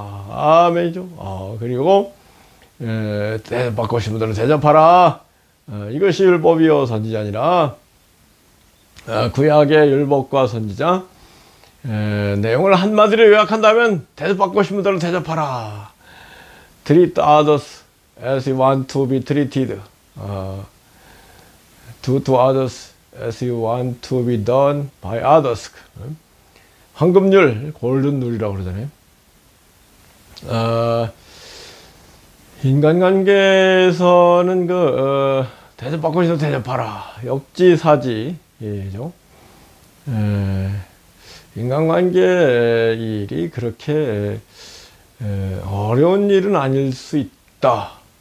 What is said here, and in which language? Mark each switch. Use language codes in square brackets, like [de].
[ko] 아멘이죠. 그리고 대접받고 싶은 분들은 대접하라. 이것이 율법이요 선지자 아니라 구약의 율법과 선지자 내용을 한마디로 요약한다면 대접받고 싶은 분들은 대접하라. [en] Treat others as you want to be treated. Do to others as you want to be done by others. [ko] 황금률, 골든룰이라고 그러잖아요. 인간관계에서는 대접받고 싶어 대접하라. 역지사지. 예죠. 인간관계 일이 그렇게 어려운 일은 아닐 수 있다.